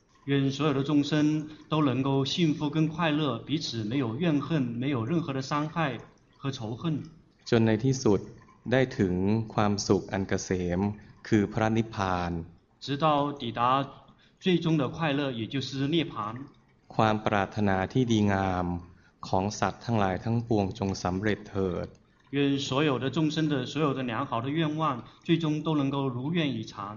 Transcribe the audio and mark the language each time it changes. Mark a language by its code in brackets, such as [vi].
[zh] 愿所有的众生都能够幸福跟快乐彼此没有怨恨没有任何的伤害和仇恨 [th] จนในที่สุดได้ถึงความสุขอันเกษมคือพระนิพพาน [zh] 直到抵达最终的快乐也就是涅槃 [th] ความปรารถนาที่ดีงามของสัตว์ทั้งหลายทั้งปวงจงสำเร็จเถิด [zh] 愿所有的众生的所有的良好的愿望最终都能够如愿以偿